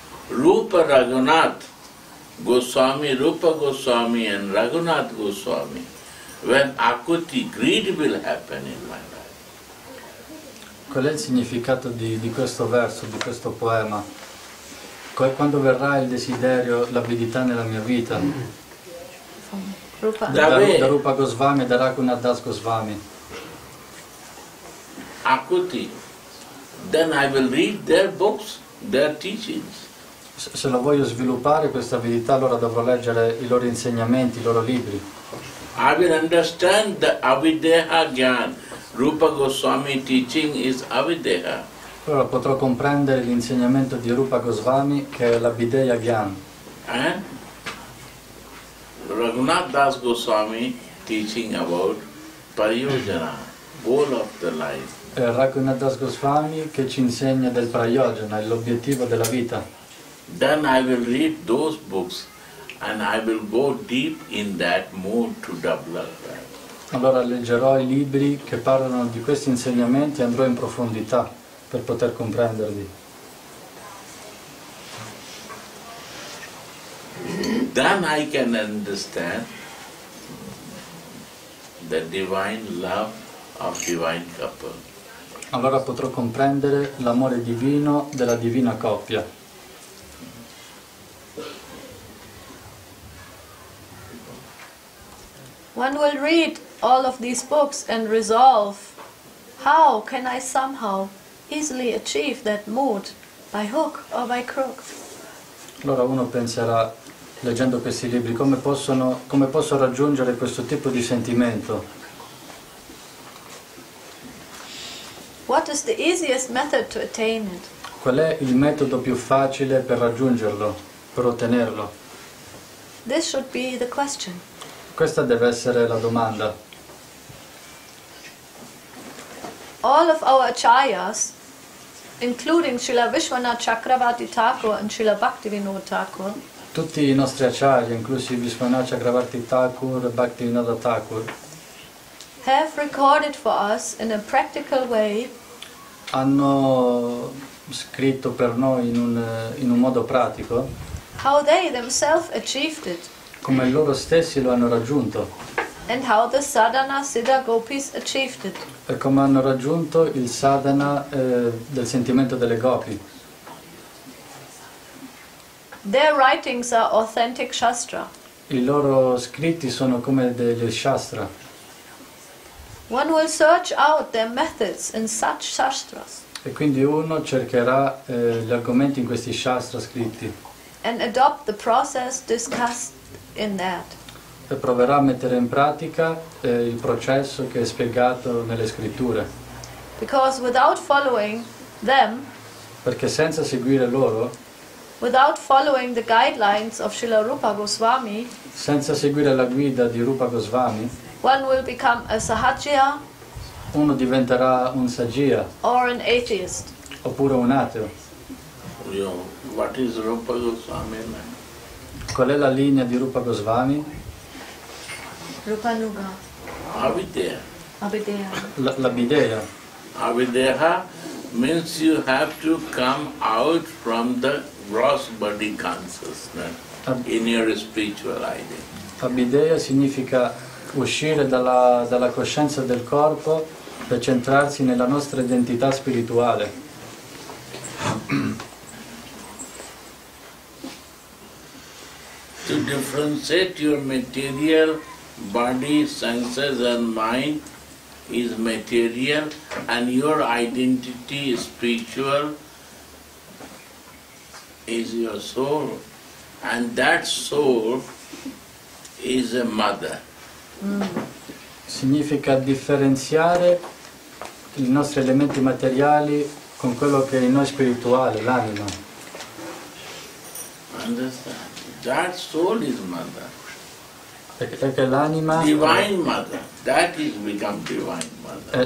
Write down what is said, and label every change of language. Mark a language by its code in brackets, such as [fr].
[en] Rupa Raghunath Goswami, Rupa Goswami and Raghunath Goswami, when akuti, greed will happen in my life. [it] qual è il significato di questo verso, di questo poema? Quando verrà il desiderio, l'avidità nella mia vita? Da Rupa Goswami, da Raghunath Das Goswami. Akuti. [en] Then I will read their books, their teachings. [it] Se la voglio sviluppare questa abilità, allora dovrò leggere i loro insegnamenti, i loro libri. [en] I will understand the Avideha Gyan. Rupa Goswami teaching is Avideha. [it] Allora potrò comprendere l'insegnamento di Rupa Goswami, che è l'Avideha Gyan. [en] Raghunath Das Goswami teaching about Paryojana, goal of the life. [it] Raghunath Das Goswami che ci insegna del Prayojana, l'obiettivo della vita. [en] Then I will read those books and I will go deep in that mood to develop that. [it] Allora leggerò i libri che parlano di questi insegnamenti e andrò in profondità per poter comprenderli. [en] Then I can understand the divine love of divine couple. [it] Allora potrò comprendere l'amore divino della divina coppia. [en] One will read all of these books and resolve, how can I somehow easily achieve that mood, by hook or by crook? [it] Allora uno penserà, leggendo questi libri, come posso raggiungere questo tipo di sentimento? [en] What is the easiest method to attain it? [it] Qual è il metodo più facile per raggiungerlo, per ottenerlo? [en] This should be the question. [it] Questa deve essere la domanda. [en] All of our acharyas, including Srila Vishwanath Chakravarti Thakur and Srila Bhaktivinoda Thakur, [it] tutti i nostri acharya, inclusi Vishwanath Chakravarti Thakur e Bhaktivinoda Thakur, [en] have recorded for us in a practical way, [it] hanno scritto per noi in un modo pratico, [en] how they themselves achieved it, [it] come loro stessi lo hanno raggiunto, [en] and how the sadhana siddha gopis achieved it, [it] e come hanno raggiunto il sadhana del sentimento delle gopi. [en] Their writings are authentic shastra. [it] I loro scritti sono come degli shastra. [en] One will search out their methods in such shastras. [it] E quindi uno cercherà gli argomenti in questi shastra scritti. [en] And adopt the process discussed in that. [it] E proverà a mettere in pratica il processo che è spiegato nelle scritture. [en] Because without following them, [it] perché senza seguire loro, [en] without following the guidelines of Srila Rupa Goswami, [it] senza seguire la guida di Rupa Goswami, [en] one will become a sahajya, [it] uno diventerà un sahajya, [en] or an atheist, [it] oppure un ateo. [en] Yo, what is Rupa Goswami? [it] Qual è la linea di Rupa Goswami? [en] Rupa Nuga. Avideha. Avideha. [it] L'Avideha. [en] Avideha means you have to come out from the gross body consciousness in your spiritual identity. [it] Avideha significa uscire dalla coscienza del corpo per centrarsi nella nostra identità spirituale. [en] To differentiate your material body, senses and mind is material and your identity is spiritual, is your soul, and that soul is a mother. [it] Significa differenziare i nostri elementi materiali con quello che è in noi spirituale, l'anima. [en] Understand? That soul is mother. [it] Perché l'anima [en] divine mother. That is become divine mother.